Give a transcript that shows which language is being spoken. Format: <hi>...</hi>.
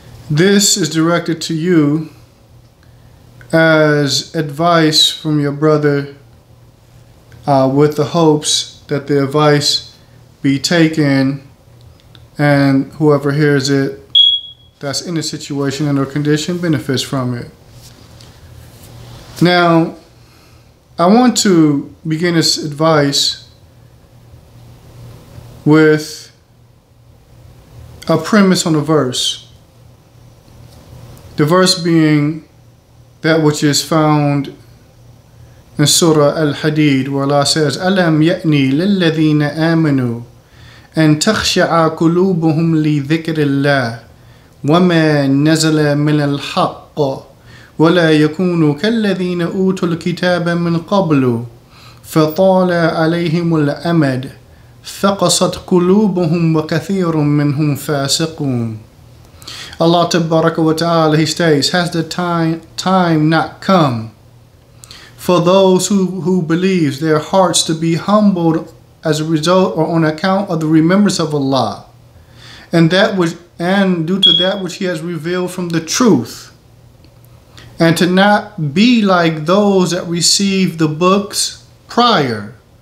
<en>This is directed to you as advice from your brother, with the hopes that the advice be taken and whoever hears it that's in a situation and or condition benefits from it. Now, I want to begin this advice with a premise on a verse. The verse being that which is found in Surah Al-Hadid, where Allah says,</en> <ar>أَلَمْ يَأْنِي لِلَّذِينَ آمَنُوا أَنْ تَخْشَعَ قُلُوبُهُمْ لِذِكْرِ اللَّهِ وَمَا نَزَلَ مِنَ الْحَقِّ وَلَا يَكُونُوا كَالَّذِينَ أُوتُوا الْكِتَابَ مِنْ قَبْلُ فَطَالَ عَلَيْهِمُ الْأَمَدُ فَقَسَتْ قُلُوبُهُمْ وَكَثِيرٌ مِّنْهُمْ فَاسِقُونَ.</ar> <en>Allah Tabaraka wa Ta'ala, He states, has the time not come for those who believe their hearts to be humbled as a result or on account of the remembrance of Allah and due to that which He has revealed from the truth, and to not be like those that received the book prior.</en>